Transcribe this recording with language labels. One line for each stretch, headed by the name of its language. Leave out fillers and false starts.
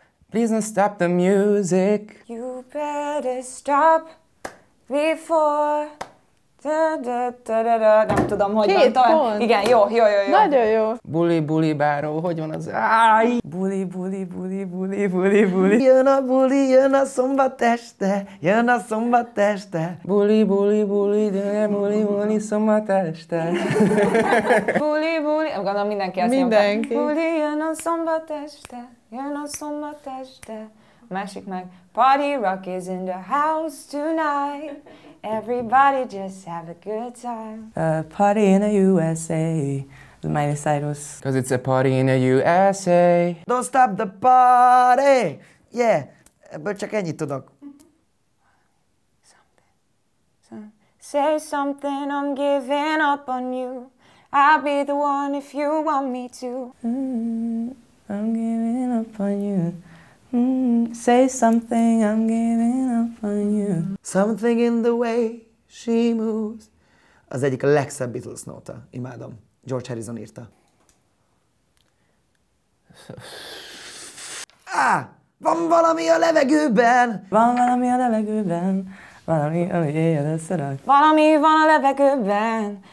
English: Please don't stop the music. You better stop. Before,
Hungarian: da-da-da-da-da, nem tudom, hogy két van. Két pont. Igen, jó. Nagyon jó. Buli, buli, báró, hogy van az? Áj! Buli, buli, buli, buli, buli, buli. Jön a buli, jön a szombat este, jön a szombat este. Buli, buli, buli, de buli, buli, szombat este. Buli, buli, gondolom mindenki azt mondta. Mindenki. Buli, jön a szombat este, jön a szombat este. Másik meg,
English: party rock is in the house tonight. Everybody just have a good time. Party in the USA. Miley Cyrus. Cause it's a party in the USA. Don't stop the party.
Hungarian: Yeah, ebből csak ennyit tudok.
English: Say something, I'm giving up on you. I'll be the one if you want me to. I'm giving up on you. Say something, I'm giving up on you. Something in the way she moves.
Hungarian: Az egyik a legszebb Beatles nóta. Imádom. George Harrison írta. Ah! Van valami a levegőben! Van valami a levegőben. Valami, ami éjjel összerak. Valami van a levegőben.